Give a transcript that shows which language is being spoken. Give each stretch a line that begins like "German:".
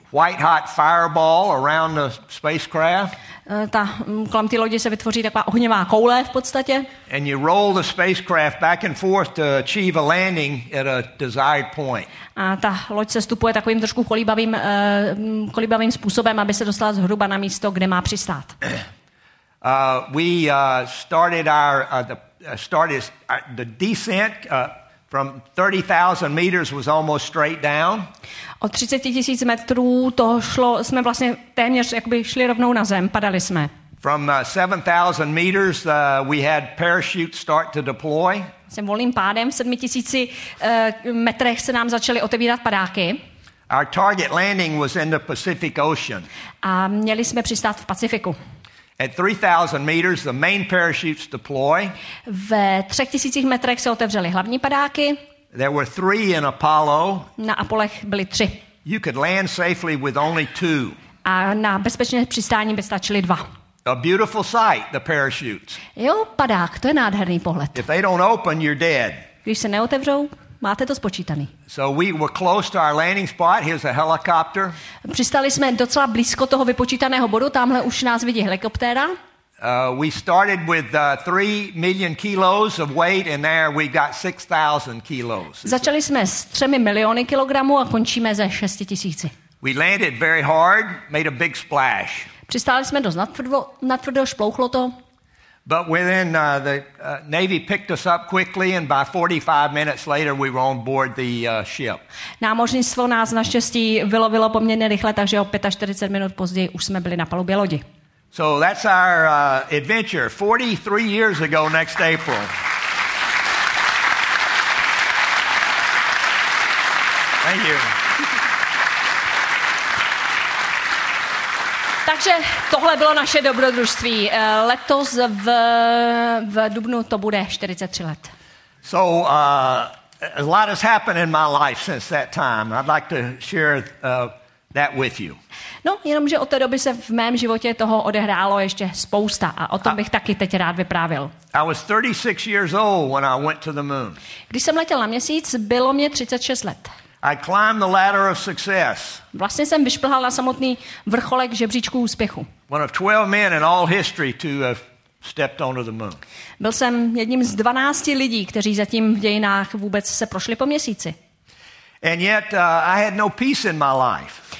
English: White hot fireball around the spacecraft.
Czech: Kolem té lodi se vytvoří taková ohnivá koule v podstatě.
English: And you roll the spacecraft back and forth to achieve a landing at a desired point.
Czech: A ta loď se stupuje takovým trošku kolíbavým způsobem, aby se dostala zhruba na místo, kde má přistát.
English: We started our the descent From 30,000 meters was almost straight down.
Czech: Od 30,000 metrů to šlo, jsme vlastně téměř jakoby šli rovnou na zem, padali jsme.
English: From 7,000 meters we had parachutes start to deploy.
Czech: Sem volným pádem v 7,000 metrech se nám začaly otevírat padáky.
English: Our target landing was in the Pacific Ocean.
Czech: A měli jsme přistát v Pacifiku.
English: At 3,000 meters, the main parachutes deploy.
Czech: Ve 3,000 metrech se otevřely hlavní padáky.
English: There were three in Apollo.
Czech: Na Apollech byly tři.
English: You could land safely with only two.
Czech: A na bezpečné přistání by stačily dva.
English: A beautiful sight, the parachutes.
Czech: Jo, padák, to je nádherný pohled.
English: If they don't open, you're dead.
Czech: Když se neotevřou, máte to spočítaný.
English: So we were close to our landing spot. Here's a helicopter.
Czech: Přistali jsme docela blízko toho vypočítaného bodu. Tamhle už nás vidí helikoptéra.
English: We started with 3 million kilos of weight and there we got 6,000 kilos.
Czech: Začali jsme s 3 miliony kilogramů a končíme ze 6,000.
English: We landed very hard, made a big splash.
Czech: Přistáli jsme dost natvrdo, šplouchlo to.
English: But within the Navy picked us up quickly and by 45 minutes later we were on board the ship.
Czech: Námořnictvo nás naštěstí vylovilo poměrně rychle, takže o 45 minut později už jsme byli na palubě lodi.
English: So that's our adventure 43 years ago next April. Thank you.
Czech: Takže tohle bylo naše dobrodružství. Letos v dubnu to bude 43 let.
English: So a lot has happened in my life since that time. I'd like to share that with you.
Czech: No, jenomže od té doby se v mém životě toho odehrálo ještě spousta a o tom bych taky teď rád vyprávil.
English: I was 36 years old when I went to the moon.
Czech: Když jsem letěl na měsíc, bylo mě 36 let.
English: I climbed the ladder of success.
Czech: Vlastně jsem vyšplhal na samotný vrcholek žebříčku úspěchu.
English: One of 12 men in all history to have stepped onto the moon.
Czech: Byl jsem jedním z 12 lidí, kteří zatím v dějinách vůbec se prošli po měsíci.
English: And yet I had no peace in my life.